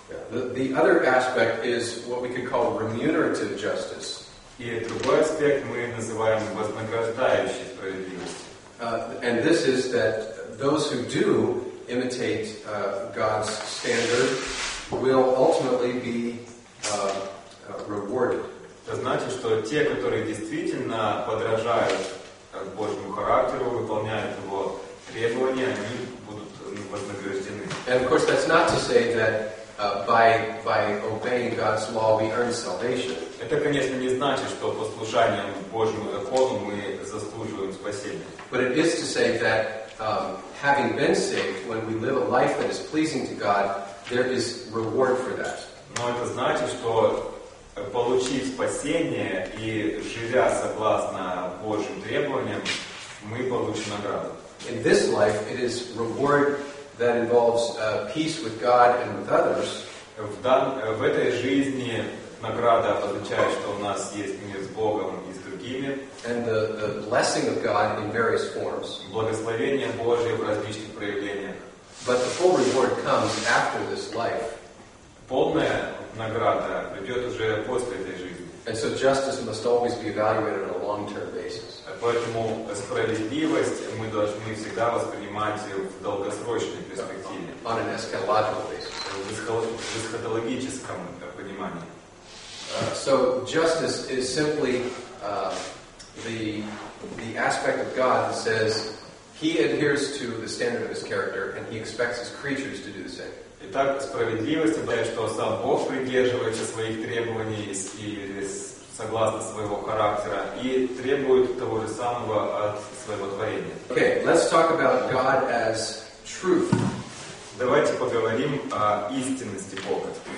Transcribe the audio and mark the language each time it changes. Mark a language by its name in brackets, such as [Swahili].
[English] The other aspect is what we could call remunerative justice. [Russian] И другой аспект мы называем вознаграждающей справедливостью. [English] And this is that those who do imitate God's standard will ultimately be rewarded. [Russian] Это значит, что те, которые действительно подражают Божьему характеру, выполняют Его требования, они будут вознаграждены. [English] And of course, that's not to say that by obeying God's law we earn salvation. [Russian] Это, конечно, не значит, что послушанием Божьему закону мы заслуживаем спасения. [English] But it is to say that having been saved, when we live a life that is pleasing to God, there is reward for that. [Russian] Но это значит, что получив спасение и живя согласно Божьим требованиям, мы получим награду. [English] In this life it is reward that involves peace with God and with others. [Russian] В этой жизни награда означает, что у нас есть мир с Богом и с другими. [English] And the blessing of God in various forms. [Russian] Благословение Божие в различных проявлениях. [English] But the full reward comes after this life. [Russian] Полная награда придет уже после этой жизни. [English] And so justice must always be evaluated on a long-term basis. [Russian] Поэтому справедливость мы должны всегда воспринимать в долгосрочной перспективе. [English] On an eschatological basis. [Russian] В эсхатологическом понимании. [English] So justice is simply the aspect of God that says He adheres to the standard of His character and He expects His creatures to do the same. [Russian] Итак, справедливость означает, что сам Бог придерживается своих требований и согласно своего характера и требует того же самого от своего творения. [English] Okay, let's talk about God as truth. [Russian] Давайте поговорим о истинности Бога.